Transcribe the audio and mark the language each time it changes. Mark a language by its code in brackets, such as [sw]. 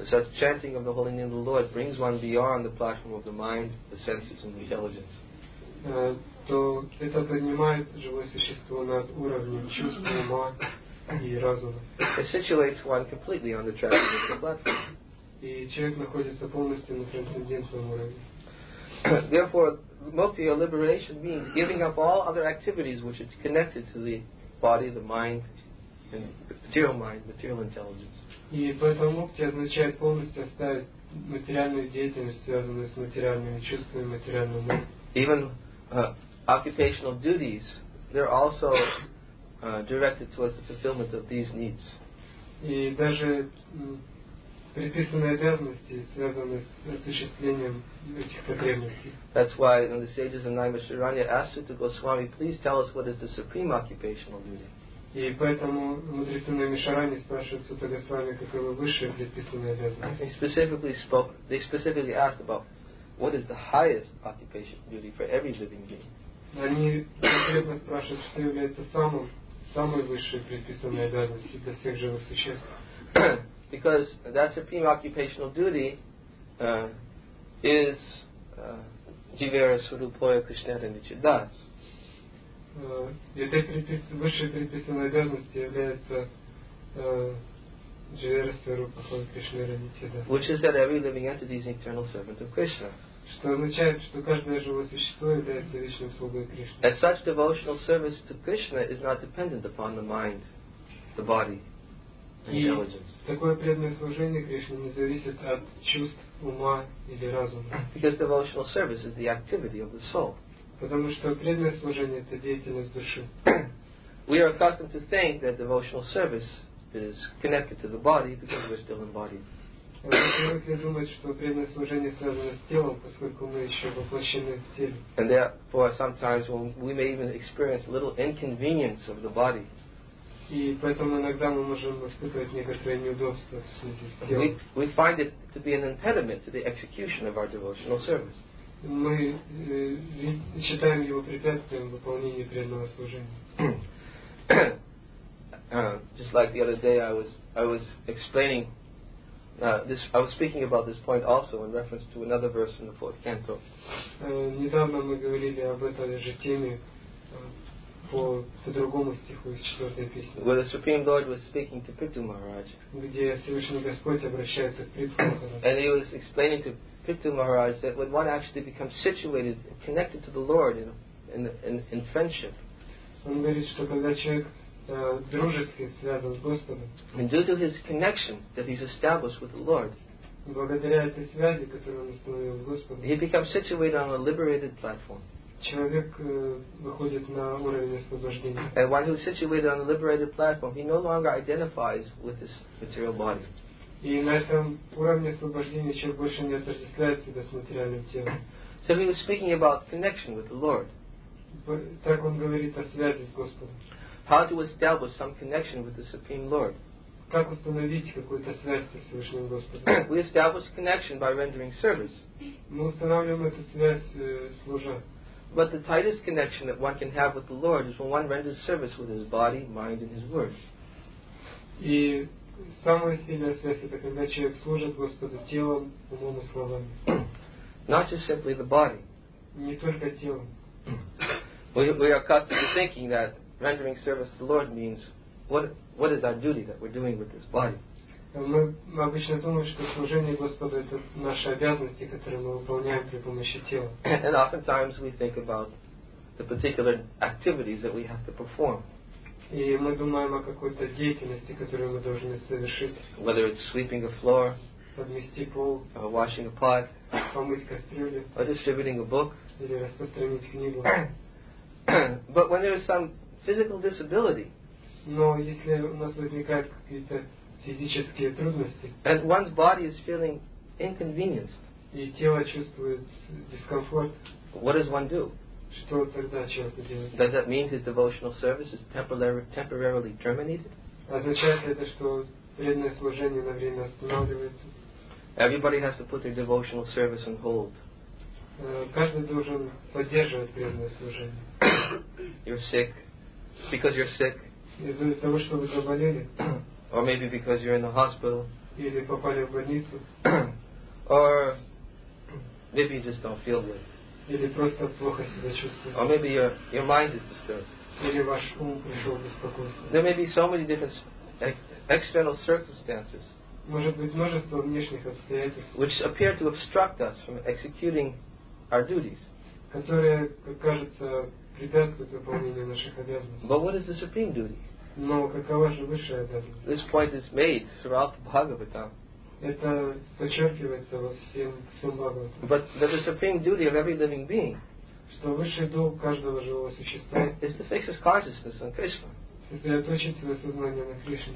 [en] So the chanting of the holy name of the Lord brings one beyond the platform of the mind, the senses, and the intelligence. [ru] То это поднимает живое существо над уровнем чувства, ума и разума. [en] It situates one completely on the transcendental platform. [ru] И человек находится полностью на трансцендентном уровне. [en] Therefore, mukti or liberation means giving up all other activities which are connected to the body, the mind, and material mind, material intelligence. [ru] И поэтому мукти означает полностью оставить материальную деятельность, связанную с материальными чувствами, материальным умом. [en] Even occupational duties, they're also directed towards the fulfillment of these needs. [ru] И даже предписанные обязанности, связанные с осуществлением этих потребностей. [en] That's why when the sages of Naimisharanya asked Sutta Goswami, please tell us what is the supreme occupational duty. [ru] И поэтому мудрецы Наймишарани спрашивают Сутта Госвами, каковы высшие предписанные обязанности. [en] They specifically asked about what is the highest occupation duty for every living being. [ru] Они конкретно спрашивают, что является самой высшей предписанной обязанностью для всех живых существ. [en] Because that supreme occupational duty is [bn] jivera surupoya krishnara nichidas. [ru] Высшей предписанной обязанностью является [bn] jivera surupoya krishnara nichidas. [en] Which is that every living entity is an eternal servant of Krishna. [ru] Что означает, что каждое живое существо является вечным слугой Кришны. [en] And such devotional service to Krishna is not dependent upon the mind, the body. [ru] И такое преданное служение Кришне не зависит от чувств, ума или разума. [en] Because devotional service is the activity of the soul. [ru] Потому что преданное служение это деятельность души. [en] We are accustomed to think that devotional service is connected to the body because we're still embodied. [ru] Мы привыкли думать, что преданное служение связано с телом, поскольку мы еще воплощены в теле. [en] And therefore, sometimes we may even experience little inconvenience of the body. [ru] И поэтому иногда мы можем испытывать некоторые неудобства в связи с тем. [en] We find it to be an impediment to the execution of our devotional service. [ru] мы считаем его препятствием в выполнении преданного служения. [en] Just like the other day, I was explaining this. I was speaking about this point also in reference to another verse in the fourth canto. [ru] Недавно мы говорили об этой же теме по другому стиху из четвертой песни. [en] Where the Supreme Lord was speaking to Prithu Maharaj. [ru] Где Всевышний Господь обращается к Прithu. [en] And he was explaining to Prithu Maharaj that when one actually becomes situated, connected to the Lord, in friendship. [ru] Он говорит, что когда человек дружески связан с Господом. [en] And due to his connection that he's established with the Lord. [ru] Благодаря этой связи, которую он установил с Господом. [en] He becomes situated on a liberated platform. [ru] Человек выходит на уровень освобождения. [en] And one who is situated on a liberated platform, he no longer identifies with his material body. [ru] И на этом уровне освобождения человек больше не отождествляет себя с материальным телом. [en] So he was speaking about connection with the Lord. [ru] Так он говорит о связи с Господом. [en] How to establish some connection with the Supreme Lord. [ru] Как установить какую-то связь с Всевышним Господом? [en] We establish connection by rendering service. [ru] Мы устанавливаем эту связь, служа. [en] But the tightest connection that one can have with the Lord is when one renders service with his body, mind, and his words. [ru] И самая сильная связь — это когда человек служит Господу телом, умом и словами. [en] Not just simply the body. [ru] Не только телом. [en] We are accustomed to thinking that rendering service to the Lord means what is our duty that we're doing with this body. [ru] Мы обычно думаем, что служение Господу — это наши обязанности, которые мы выполняем при помощи тела. [en] And oftentimes we think about the particular activities that we have to perform. [ru] И мы думаем о какой-то деятельности, которую мы должны совершить. [en] Whether it's sweeping a floor, [ru] подмести пол, [en] or washing a pot, [ru] помыть кастрюлю, [en] or distributing a book, [ru] или распространить книгу. [en] But when there is some physical disability, [ru] но если у нас возникают какие-то физические трудности, [en] and one's body is feeling inconvenienced, [ru] и тело чувствует дискомфорт, [en] what does one do? [ru] Что тогда человек делает? [en] Does that mean his devotional service is temporarily terminated? [ru] Означает ли это, что преданное служение на время останавливается? [en] Everybody has to put their devotional service on hold. [ru] Каждый должен поддерживать преданное служение. [en] You're sick. Because you're sick. [ru] Из-за того, что вы заболели. [en] Or maybe because you're in the hospital. [ru] Или попали в больницу. [en] Or maybe you just don't feel good. [ru] Или просто плохо себя чувствуете. [en] Or maybe your mind is disturbed. [ru] Или ваш ум пришел в беспокойство. [en] There may be so many different external circumstances. [ru] Может быть, множество внешних обстоятельств. [en] Which appear to obstruct us from executing our duties. [ru] Которые, как кажется, препятствуют выполнению наших обязанностей. [en] But what is the supreme duty? [ru] Но какова же высшая обязанность? [en] This point is made throughout the Bhagavatam. [ru] Это подчеркивается во всем Бхагаватам. [en] But that the supreme duty of every living being, [ru] что высший долг каждого живого существа, [en] is to fix his consciousness on Krishna. [ru] Сосредоточить свое сознание на Кришне.